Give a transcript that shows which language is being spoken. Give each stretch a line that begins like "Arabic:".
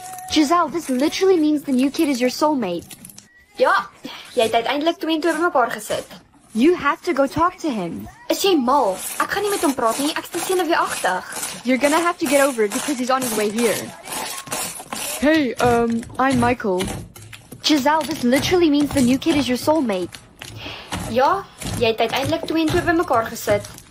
English: Giselle, this literally means the new kid is your soulmate.
Afrikaans: Ja, jy het uiteindelik 22 by mekaar gesit.
English: You have to go talk to him.
Afrikaans: Is jy mal? Ek gaan nie met hom praat nie, ek is te senuweeagtig.
English: You're gonna have to get over it because he's on his way here. Hey, I'm Michael. Giselle, this literally means the new kid is your soulmate.
Afrikaans: Ja, jy het uiteindelik 22 by mekaar gesit.